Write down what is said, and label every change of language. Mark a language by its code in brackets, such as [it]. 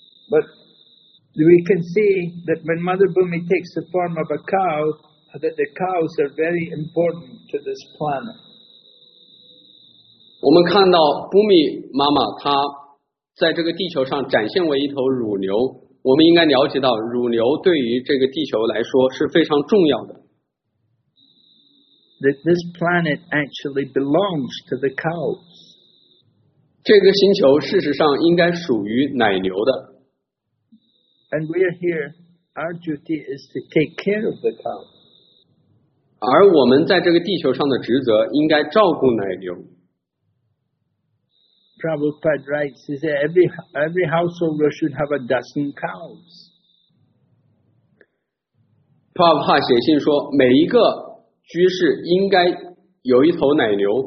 [en] But we can see that when Mother Bhumi takes the form of a cow, that the cows are very important to this planet. [zh] 我们看到 Bhumi 妈妈她在这个地球上展现为一头乳牛，我们应该了解到乳牛对于这个地球来说是非常重要的。 [en] This planet actually belongs to the cows. [zh] 这个星球事实上应该属于奶牛的。 [en] And we are here, our duty is to take care of the cows. [zh] 而我们在这个地球上的职责应该照顾奶牛。 [en] Prabhupada writes, he said, every householder should have a dozen cows. [zh] Prabhupada 写信说，每一个居士应该有一头奶牛。